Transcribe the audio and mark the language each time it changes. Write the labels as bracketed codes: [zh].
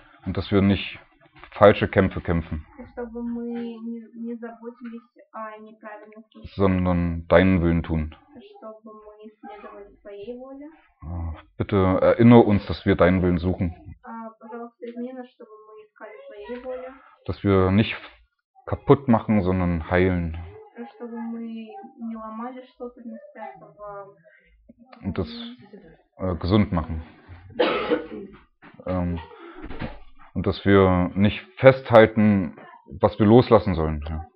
[de] Und dass wir nicht falsche Kämpfe kämpfen. [ru] Чтобы мы не заботились о неправильных кампах. [de] Sondern deinen Willen tun. [ru] Чтобы мы следовали твоей воле. [de] Bitte erinnere uns, dass wir deinen Willen suchen. [ru] Пожалуйста, измени нас, чтобы мы искали твоей воле. [de] Dass wir nicht kaputt machen, sondern heilen. [ru] Чтобы мы не ломали что-то вместо этого. [de] Und das gesund machen. Und dass wir nicht festhalten, was wir loslassen sollen. Ja.